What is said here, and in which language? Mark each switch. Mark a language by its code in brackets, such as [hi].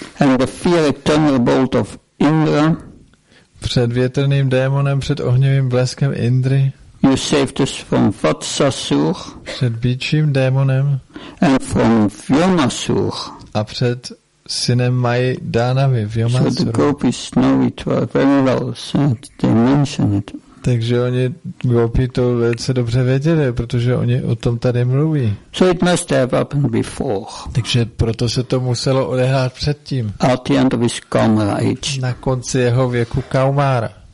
[en] And the fiery thunderbolt of Indra. [cs] Před větrným démonem, před ohněvým bleskem Indry. [en] You saved us from Vatsasur. [cs] Před bíčím démonem. [en] And from Vyomasur. [cs] A před synem Mají Dánavy, Vyomasur. [en] So the gopis know it very well, so they mention it. [cs] Takže oni gopi to velice dobře věděli, protože oni o tom tady mluví. [en] So it must have happened before. [cs] Takže proto se to muselo odehrát předtím. [en] At the end of his Kaumara age. [cs] Na konci jeho věku Kaumara.